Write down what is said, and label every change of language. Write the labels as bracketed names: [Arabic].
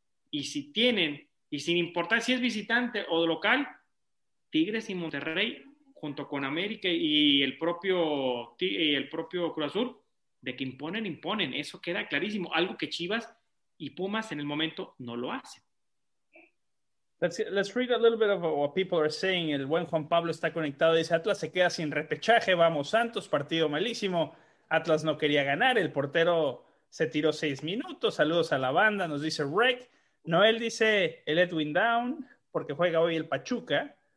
[Spanish] Y si tienen, y sin importar si es visitante o local, Tigres y Monterrey, junto con América y el propio Cruz Azul, de que imponen, eso queda clarísimo, algo que Chivas y Pumas en el momento no lo hacen. [English] Let's read a little bit of what people are saying. [Spanish] El buen Juan Pablo está conectado, dice: Atlas se queda sin repechaje, vamos Santos, partido malísimo, Atlas no quería ganar, el portero se tiró 6 minutos, saludos a la banda, nos dice Rick. Noel dice: el Edwin Down, porque juega hoy el Pachuca.